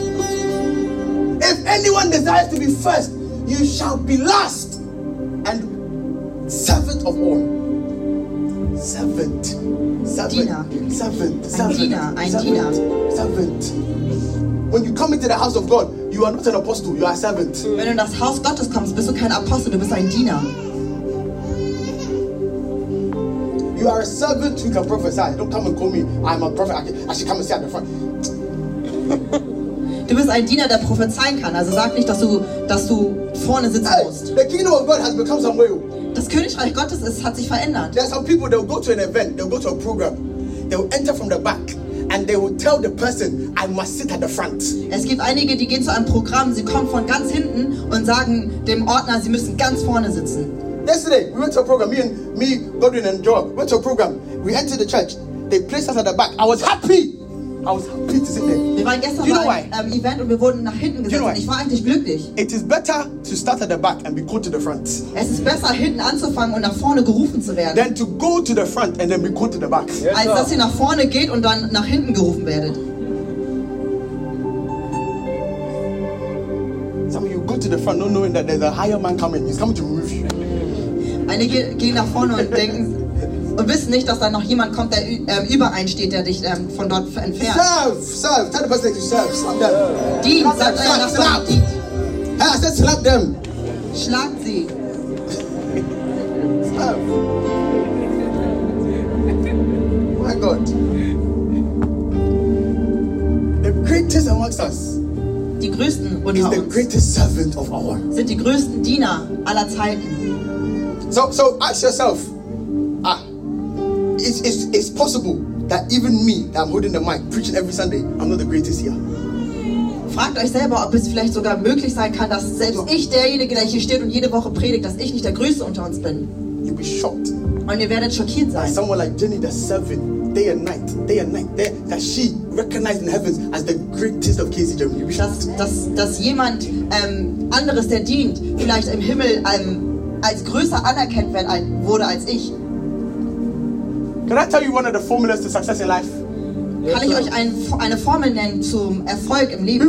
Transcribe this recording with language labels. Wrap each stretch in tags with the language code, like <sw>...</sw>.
<en>If anyone desires to be first, you shall be last and servant of all. Servant. When you come into the house of God, you are not an apostle, you are a servant.</en> <de>Wenn du in das Haus Gottes kommst, bist du kein Apostel, du bist ein Diener.</de> <en>You are a servant who can prophesy. Don't come and call me, I'm a prophet. I should come and sit at the front.</en> <de>Du bist ein Diener, der prophezeien kann. Also sag nicht, dass du vorne sitzen musst.</de> <en>The kingdom of God has become some way.</en> <de>Das Königreich Gottes hat sich verändert.</de> <en>There are some people, they'll go to an event, they'll go to a program, they'll enter from the back, and they will tell the person, I must sit at the front.</en> <de>Es gibt einige, die gehen zu einem Programm, sie kommen von ganz hinten und sagen dem Ordner, sie müssen ganz vorne sitzen.</de> <en>Yesterday, we went to a program, me, Godwin and Joel, went to a program, we entered the church, they placed us at the back, I was happy to sit there.</en> <de>Wir waren gestern beim Event und wir wurden nach hinten gesetzt. Und ich war eigentlich glücklich.</de> <en>It is better to start at the back and be called to the front.</en> <de>Es ist besser hinten anzufangen und nach vorne gerufen zu werden.</de> <en>Than to go to the front and then be called to the back. Yes,</en> <de>als dass ihr nach vorne geht und dann nach hinten gerufen werdet.</de> <en>Some of you go to the front not knowing that there's a higher man coming. He's coming to remove you.</en> <de>Einige gehen nach vorne und denken. Und wissen nicht, dass da noch jemand kommt, der übereinsteht, der dich von dort entfernt.</de> <en>Serve. Tell the person to serve. Slap them.</en> <de>Dean, sag einfach nach vorne.</de> <en>Hey, I said slap them.</en> <de>Schlag sie.</de> <en>Serve. Oh my God. The greatest amongst us.</en> <de>Die größten unter uns.</de> <en>Is the greatest servant of all.</en> <de>Sind die größten Diener aller Zeiten.</de> <en>So ask yourself. It's possible that even me, that I'm holding the mic, preaching every Sunday, I'm not the greatest here.</en> <de>Fragt euch selber, ob es vielleicht sogar möglich sein kann, dass selbst ich derjenige, der hier steht und jede Woche predigt, dass ich nicht der Größte unter uns bin.</de> <en>You'll be shocked.</en> <de>Und ihr werdet schockiert sein.</de> <en>Someone like Jenny, that's serving day and night, that she recognized in heavens as the greatest of KC Germany. You'll be shocked.</en> <de>Dass jemand anderes, der dient, vielleicht im Himmel als größer anerkannt wurde als ich.</de> <en>Can I tell you one of the formulas to success in life? Yes,</en> <de>kann ich euch eine Formel nennen zum Erfolg im Leben?</de>